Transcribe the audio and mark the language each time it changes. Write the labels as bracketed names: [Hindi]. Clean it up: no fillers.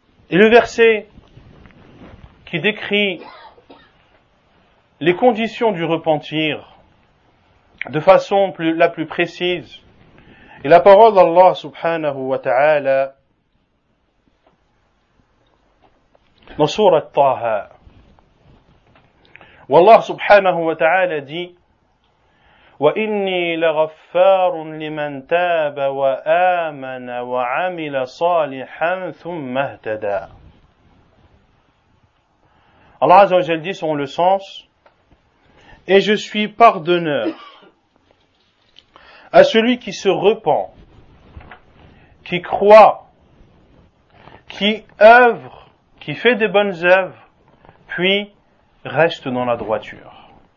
[French] Et le verset qui décrit les conditions du repentir de façon la plus précise. Et la parole d'Allah subhanahu wa ta'ala dans sourate Taha. Où Allah subhanahu wa ta'ala dit: [Arabic] وإني لغفار لمن تاب وآمن وعمل صالحا ثم اهتدى. [French] Allah Azza wa Jalla dit selon le sens: et je suis pardonneur à celui qui se repent, qui croit, qui œuvre, qui fait des bonnes œuvres, puis reste dans la droiture.